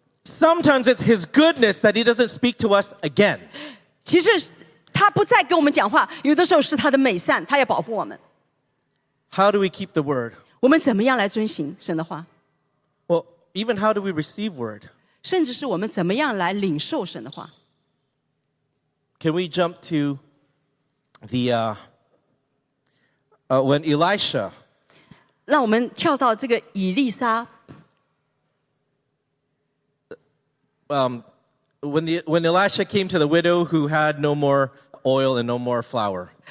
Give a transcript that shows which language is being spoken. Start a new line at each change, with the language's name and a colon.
English: Sometimes it's his goodness that he doesn't speak to us again.
Chinese: 其实他不再跟我们讲话，有的时候是他的美善，他要保护我们。
English: How do we keep the word?
Chinese: 我们怎么样来遵行神的话？
English: Well, even how do we receive word?
Chinese: 甚至是我们怎么样来领受神的话？
English: Can we jump to the when Elisha?
Chinese: 让我们跳到这个以利沙。
English: When Elisha came to the widow who had no more oil and no more flour.